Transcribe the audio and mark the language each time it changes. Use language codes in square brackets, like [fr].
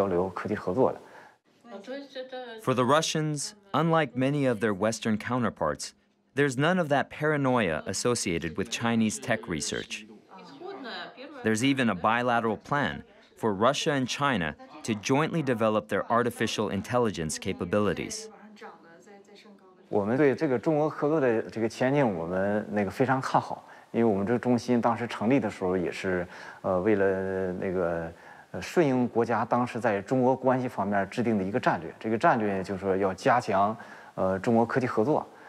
[zh] 我们这个对俄中心呢，主要是开展对俄罗斯等就是原来这些独联体国家跟他们来开展这个科技交流、科技合作的。 [en] For the Russians, unlike many of their Western counterparts, there's none of that paranoia associated with Chinese tech research. There's even a bilateral plan for Russia and China to jointly develop their artificial intelligence capabilities. [zh] 我们对这个中俄合作的这个前景，我们那个非常看好，因为我们这个中心当时成立的时候也是，为了那个顺应国家当时在中俄关系方面制定的一个战略，这个战略就是要加强中俄科技合作。